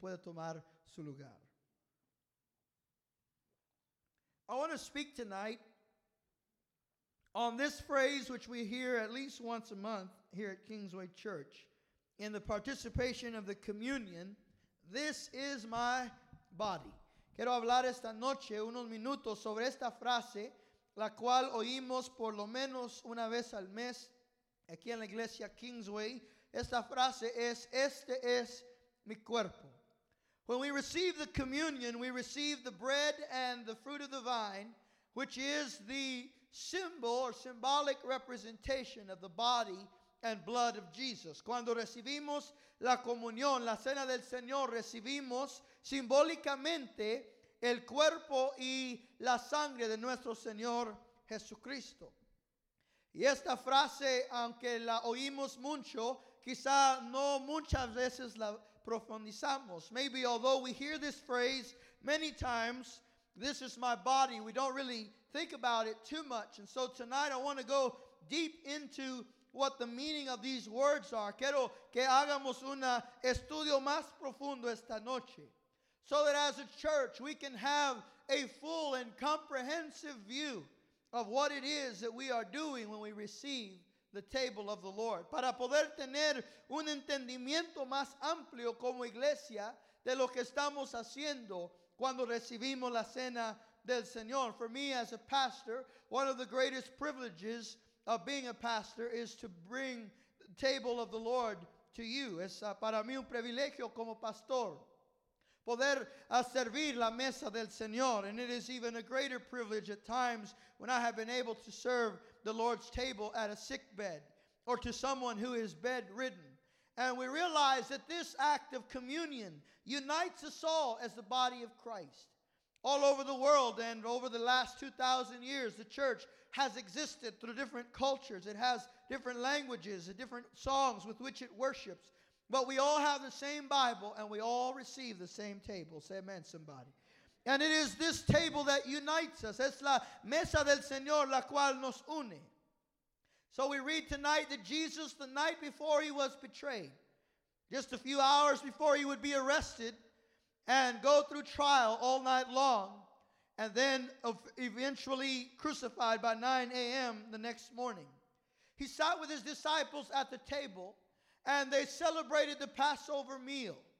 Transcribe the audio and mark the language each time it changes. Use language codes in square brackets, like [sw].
[es] Puede tomar su lugar. [en] I want to speak tonight on this phrase which we hear at least once a month here at Kingsway Church in the participation of the communion. This is my body. [es] Quiero hablar esta noche unos minutos sobre esta frase, la cual oímos por lo menos una vez al mes aquí en la iglesia Kingsway. Esta frase es, este es mi cuerpo. [en] When we receive the communion, we receive the bread and the fruit of the vine, which is the symbol or symbolic representation of the body and blood of Jesus. [es] Cuando recibimos la comunión, la cena del Señor, recibimos simbólicamente el cuerpo y la sangre de nuestro Señor Jesucristo. Y esta frase, aunque la oímos mucho, quizá no muchas veces la profundizamos. [en] Maybe although we hear this phrase many times, this is my body, we don't really think about it too much. And so tonight I want to go deep into what the meaning of these words are. [es] Quiero que hagamos un estudio más profundo esta noche. [en] So that as a church we can have a full and comprehensive view of what it is that we are doing when we receive the table of the Lord. [es] Para poder tener un entendimiento más amplio como iglesia de lo que estamos haciendo cuando recibimos la cena del Señor. [en] For me as a pastor, one of the greatest privileges of being a pastor is to bring the table of the Lord to you. [es] Es para mí un privilegio como pastor poder servir la mesa del Señor. [en] And it is even a greater privilege at times when I have been able to serve the Lord's table at a sick bed or to someone who is bedridden. And we realize that this act of communion unites us all as the body of Christ. All over the world and over the last 2,000 years, the church has existed through different cultures. It has different languages and different songs with which it worships. But we all have the same Bible and we all receive the same table. Say amen, somebody. And it is this table that unites us. [es] Es la mesa del Señor la cual nos une. [en] So we read tonight that Jesus, the night before he was betrayed, just a few hours before he would be arrested and go through trial all night long, and then eventually crucified by 9 a.m. the next morning, he sat with his disciples at the table, and they celebrated the Passover meal.